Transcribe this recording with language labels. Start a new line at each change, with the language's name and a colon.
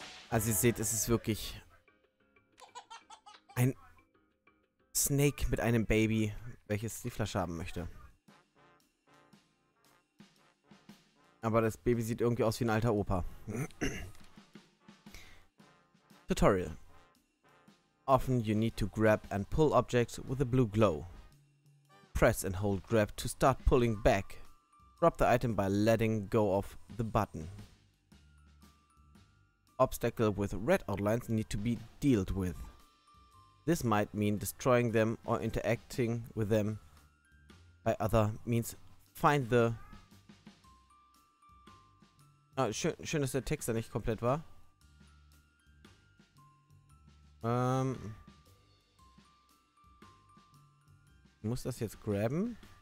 German: Also ihr seht, es ist wirklich ein Snake mit einem Baby, welches die Flasche haben möchte. Aber das Baby sieht irgendwie aus wie ein alter Opa.
English: Tutorial. Often you need to grab and pull objects with a blue glow. Press and hold grab to start pulling back. Drop the item by letting go of the button. Obstacle with red outlines need to be dealt with. This might mean destroying them or interacting with them by other means. Find the...
German: Oh, schön, dass der Text da nicht komplett war. Ich muss das jetzt graben?